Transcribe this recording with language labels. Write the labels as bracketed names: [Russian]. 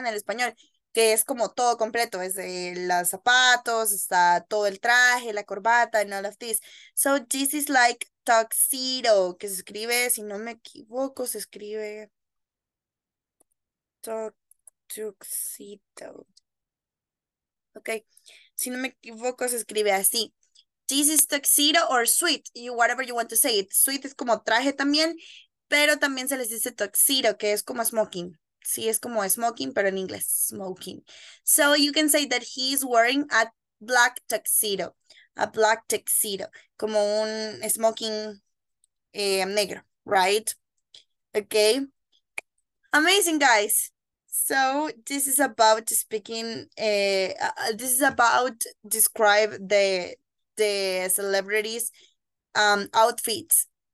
[Spanish] En el español, que es como todo completo, desde los zapatos, hasta todo el traje, la corbata, [English] and all of this. So, this is like tuxedo, [Spanish] que se escribe, si no me equivoco, se escribe tuxedo. Ok, si no me equivoco, se escribe así. [English] This is tuxedo or suit, whatever you want to say it. [Spanish] Suit es como traje también. Pero también se les dice tuxedo, que es como smoking. Sí, es como smoking, pero en inglés, smoking. [English] So you can say that he is wearing a black tuxedo. A black tuxedo. [Spanish] Como un smoking negro, [English] right? Okay. Amazing, guys. So this is about speaking, this is about describe the celebrities' outfits.